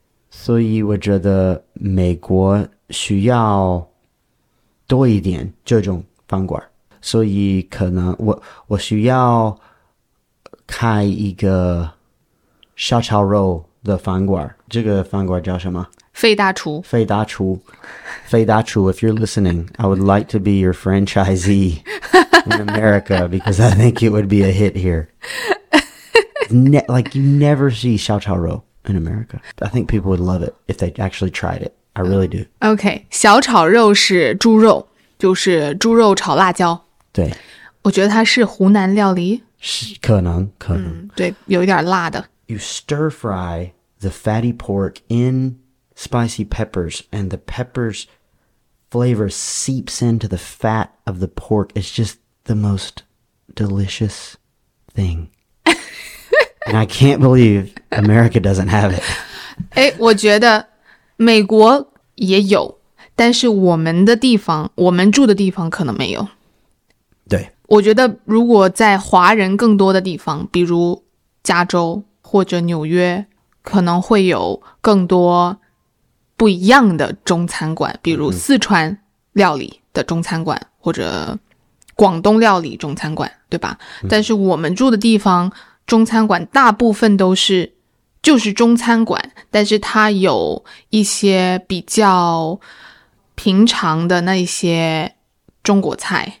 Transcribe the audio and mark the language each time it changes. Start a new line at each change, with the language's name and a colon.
Chinese: 所以我觉得美国需要多一点这种饭馆，所以可能我需要开一个小炒肉的饭馆。这个饭馆叫什么？费大厨。费大厨，费大厨。
English: If you're listening, I would like to be your franchisee in America because I think it would be a hit here. Like you never see 小炒肉 in America. I think people would love it if they actually tried it. I really do.
Chinese: Okay, 小炒肉是猪肉，就是猪肉炒辣椒。对，我觉得它是湖南料理。是，可能、嗯。对，有一点辣的。
English: You stir fry the fatty pork in spicy peppers, and the peppers flavor seeps into the fat of the pork. It's just the most delicious thing. And I can't believe America doesn't have it.
Chinese: 哎，我觉得美国也有，但是我们的地方，我们住的地方可能没有。对，我觉得如果在华人更多的地方，比如加州或者纽约，可能会有更多不一样的中餐馆，比如四川料理的中餐馆、嗯、或者广东料理中餐馆，对吧、嗯、但是我们住的地方中餐馆大部分都是就是中餐馆，但是它有一些比较平常的那些中国菜。